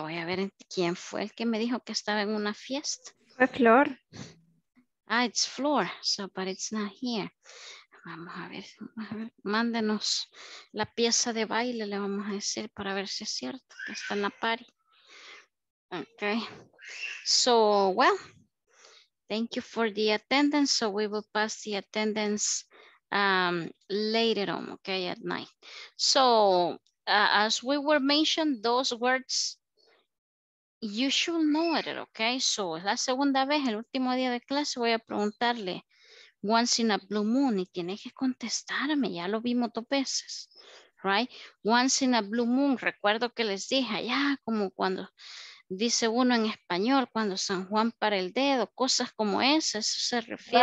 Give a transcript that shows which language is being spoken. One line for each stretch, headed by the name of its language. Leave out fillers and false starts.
Spanish: Voy a ver quién fue el que me dijo que estaba en una fiesta. Flor.
English: Ah, it's Flor, so, but it's not here.
Spanish: Vamos a ver, mándenos la pieza de baile, le vamos a decir, para ver si es cierto, que está en la party.
English: Okay. So, well, thank you for the attendance. So we will pass the attendance later on, okay, at night. So as we were mentioned, those words, you should know it, okay?
Spanish: So la segunda vez, el último día de clase, voy a preguntarle,
English: once in a blue moon,
Spanish: y tienes que contestarme, ya lo vimos dos veces, right?
English: Once in a blue moon,
Spanish: recuerdo que les dije allá, como cuando dice uno en español, cuando San Juan para el dedo, cosas como esas, eso se refiere